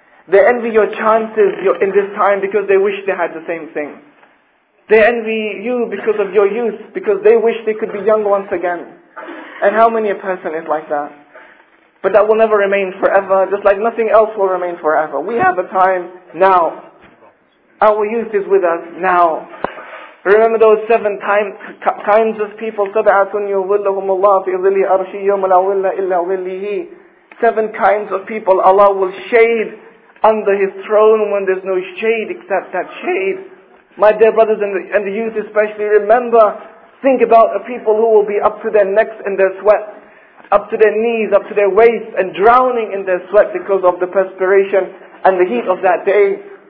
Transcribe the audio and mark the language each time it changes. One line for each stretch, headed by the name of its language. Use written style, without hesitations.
English: They envy your chances in this time because they wish they had the same thing. They envy you because of your youth, because they wish they could be young once again. And how many a person is like that? But that will never remain forever, just like nothing else will remain forever. We have a time now. Our youth is with us now. Remember those seven kinds of people,
Arabic: سَبْعَةٌ يُظِلَّهُمُ اللَّهُ فِي ظِلِّ أَرْشِي يَوْمَ لَا ظِلَّ إِلَّا ظِلِّهِ.
English: Seven kinds of people Allah will shade under His throne when there's no shade except that shade. My dear brothers and the youth especially, remember, think about the people who will be up to their necks in their sweat, up to their knees, up to their waist, and drowning in their sweat because of the perspiration and the heat of that day.